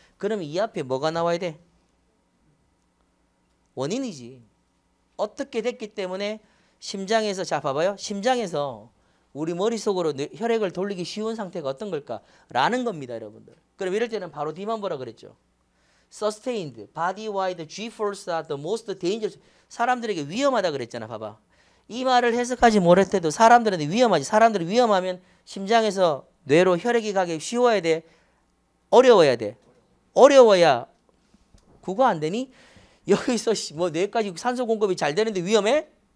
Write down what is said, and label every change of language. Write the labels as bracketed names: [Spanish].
[Korean] 그러면 이 앞에 뭐가 나와야 돼? 원인이지. 어떻게 됐기 때문에 심장에서 자 봐봐요. 심장에서 우리 머릿속으로 혈액을 돌리기 쉬운 상태가 어떤 걸까라는 겁니다, 여러분들. 그럼 이럴 때는 바로 뒤만 보라 그랬죠. [English] Sustained, body-wide G-force are the most dangerous. [Korean] 사람들에게 위험하다 그랬잖아, 봐봐. 이 말을 해석하지 못해도 사람들한테 위험하지. 사람들이 위험하면 심장에서 뇌로 혈액이 가기 쉬워야 돼? 어려워야 돼? 어려워야 그거 안 되니? 여기서 뭐 뇌까지 산소 공급이 잘 되는데 위험해?